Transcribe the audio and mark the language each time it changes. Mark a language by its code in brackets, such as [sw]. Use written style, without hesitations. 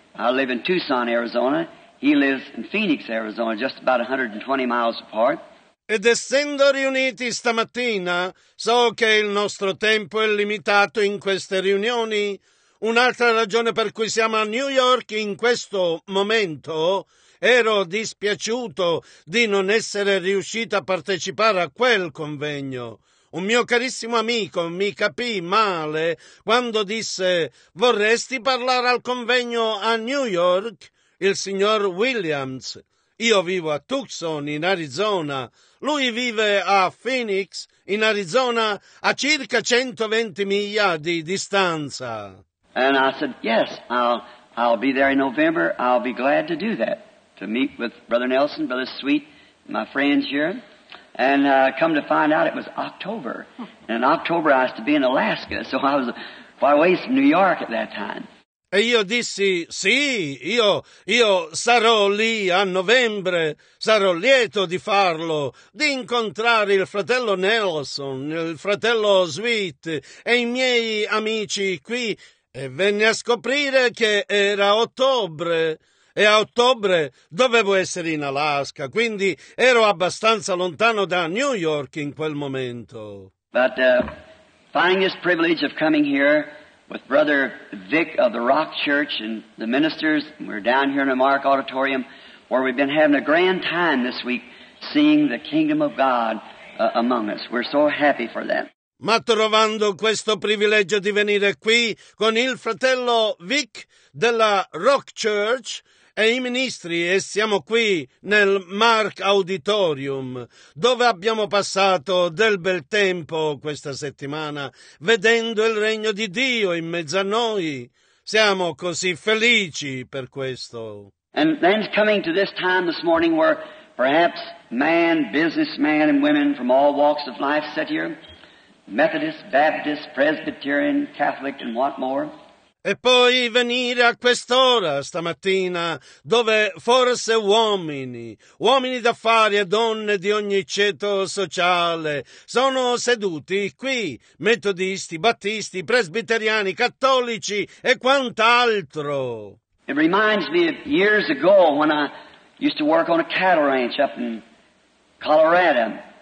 [en] I live in Tucson, Arizona. He lives in Phoenix, Arizona, just about 120 miles apart. [it] Ed essendo riuniti stamattina, so che il nostro tempo è limitato in queste riunioni. Un'altra ragione per cui siamo a New York in questo momento, ero dispiaciuto di non essere riuscito a partecipare a quel convegno. Un mio carissimo amico mi capì male quando disse: «Vorresti parlare al convegno a New York?» Il signor Williams. Io vivo a Tucson, in Arizona. Lui vive a Phoenix, in Arizona, a circa 120 miglia di distanza. [en] And I said, yes, I'll be there in November. I'll be glad to do that, to meet with Brother Nelson, Brother Sweet, my friends here. And come to find out it was October. And in October I was to be in Alaska, so I was far away from New York at that time. [it] E io dissi, sì, io sarò lì a novembre, sarò lieto di farlo, di incontrare il fratello Nelson, il fratello Sweet e i miei amici qui. E venne a scoprire che era ottobre, e a ottobre dovevo essere in Alaska, quindi ero abbastanza lontano da New York in quel momento. [en] But finding this privilege of coming here with Brother Vic of the Rock Church and the ministers, we're down here in the Mark Auditorium, where we've been having a grand time this week, seeing the kingdom of God among us. We're so happy for that. [it] Ma trovando questo privilegio di venire qui con il fratello Vic della Rock Church e i ministri, e siamo qui nel Mark Auditorium, dove abbiamo passato del bel tempo questa settimana, vedendo il regno di Dio in mezzo a noi. Siamo così felici per questo. [en] And then coming to this time this morning where perhaps man, businessmen and women from all walks of life sit here, Methodist, Baptist, Presbyterian, Catholic and what more. [it] E poi venire a quest'ora stamattina, dove forse uomini d'affari e donne di ogni ceto sociale sono seduti qui, metodisti, battisti, presbiteriani, cattolici e quant'altro. [en] It reminds me of years ago when I used to work on a cattle ranch up in Colorado.